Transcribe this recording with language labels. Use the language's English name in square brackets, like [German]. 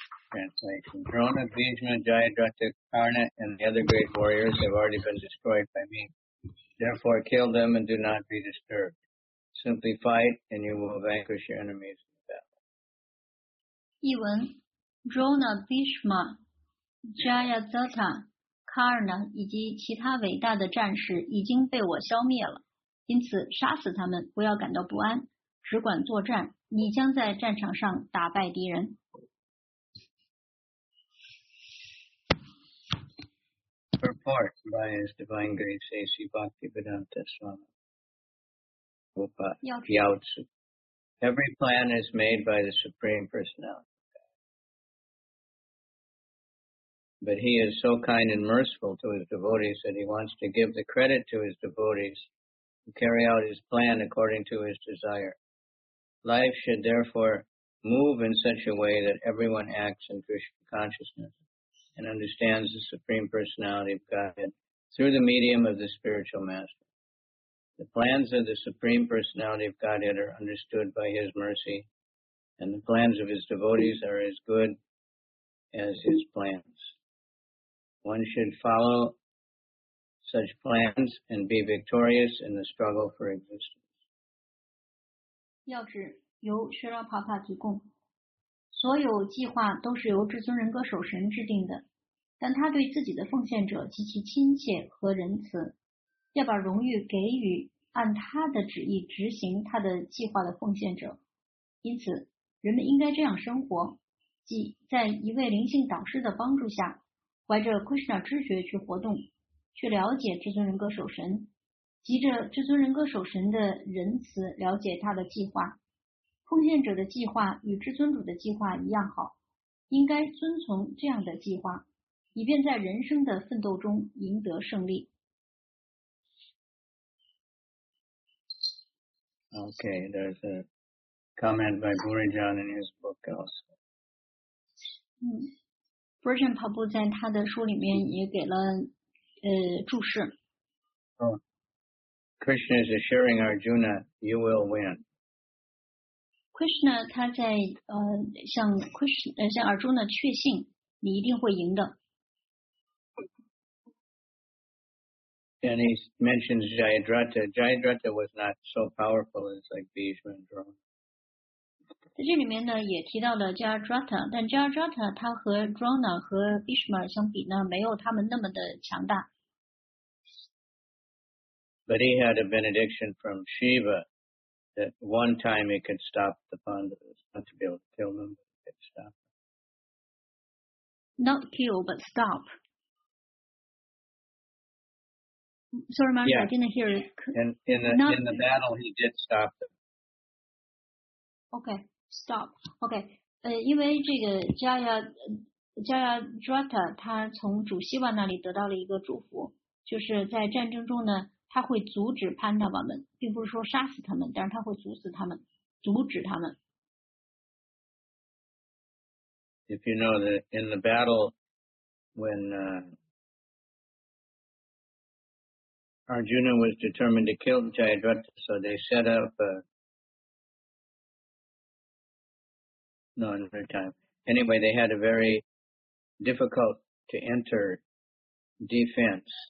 [English] Translation. Drona, Bhishma, Jayadratha, Karna, and the other great warriors have already been destroyed by me. Therefore, kill them and do not be disturbed. Simply fight, and you will vanquish your enemies in battle. [Chinese] 译文, Drona, Bhishma, Jayadratha, Karna, 以及其他伟大的战士已经被我消灭了。因此，杀死他们，不要感到不安，只管作战，你将在战场上打败敌人。 [English] Report by His Divine Grace, A.C. Bhaktivedanta Swami, Upa, Yautsu. Every plan is made by the Supreme Personality of God. But He is so kind and merciful to His devotees that He wants to give the credit to His devotees to carry out His plan according to His desire. Life should therefore move in such a way that everyone acts in Krishna consciousness and understands the Supreme Personality of God through the medium of the spiritual master. The plans of the Supreme Personality of Godhead are understood by His mercy, and the plans of His devotees are as good as His plans. One should follow such plans and be victorious in the struggle for existence. [Chinese] 要旨由薛拉帕帕提供。所有计划都是由至尊人格守神制定的，但他对自己的奉献者极其亲切和仁慈，要把荣誉给予按他的旨意执行他的计划的奉献者。因此，人们应该这样生活，即在一位灵性导师的帮助下，怀着 Krishna 知觉去活动，去了解至尊人格守神，急着至尊人格守神的仁慈了解他的计划。奉献者的计划与至尊主的计划一样好，应该遵从这样的计划，以便在人生的奋斗中赢得胜利。 [English] Okay, there's a comment by Gurijan in his book also. [Chinese] Gurijan Prabhu 在他的书里面也给了注释。 [English] Krishna is assuring Arjuna, you will win. [Chinese] Krishna 他在向 Krishna 向 Arjuna 确信你一定会赢的。 [English] And he mentions Jayadrata. Jayadrata was not so powerful as like Bhishma and Drona. [Chinese] 在这里面呢也提到了 Jayadrata, 但 Jayadrata 他和 Drona 和 Bhishma 相比呢没有他们那么的强大。 [English] But he had a benediction from Shiva. That one time it could stop the Pandavas, not to be able to kill them, but it could stop them. Not kill, but stop. Sorry, Mark, yeah. I didn't hear it. In the battle, he did stop them. Okay, stop. [Chinese] Okay, 因为这个 Jayadrata, 他从主希望那里得到了一个祝福，就是在战争中呢他会阻止潘达瓦们，并不是说杀死他们，但是他会阻止他们，阻止他们。 [English] If you know that in the battle, when Arjuna was determined to kill Jayadrata, so they set up a... No, another time. Anyway, they had a very difficult to enter defense.